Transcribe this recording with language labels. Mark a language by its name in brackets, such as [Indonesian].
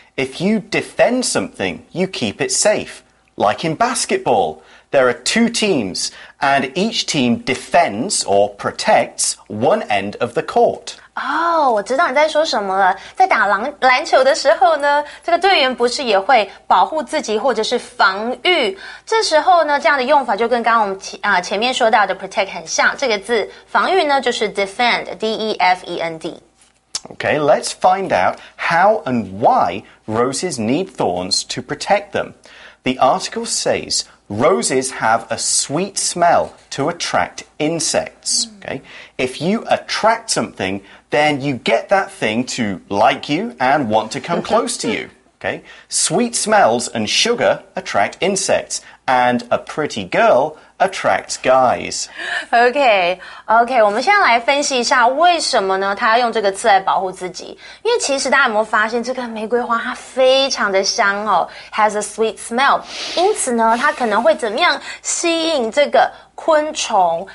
[English] If you defend something, you keep it safe. Like in basketball. There are two teams, and each team defends or protects one end of the court. [Chinese] Oh, 我知道你在说什么了。在打篮球的时候呢，这个队员不是也会保护自己或者是防御？这时候呢，这样的用法就跟刚刚我们前面说到的 protect 很像。这个字防御呢，就是 defend, D-E-F-E-N-D. [English] Okay, let's find out how and why roses need thorns to protect them. The article says... Roses have a sweet smell to attract insects. Okay? If you attract something, then you get that thing to like you and want to come close to you. Okay? Sweet smells and sugar attract insects, and a pretty girl... attracts guys. [Chinese] Okay, 我们现在来分析一下为什么呢他要用这个字来保护自己。因为其实大家有没有发现这个玫瑰花它非常的香哦 , [English] has a sweet smell. [Chinese] 因此呢它可能会怎么样吸引这个昆虫。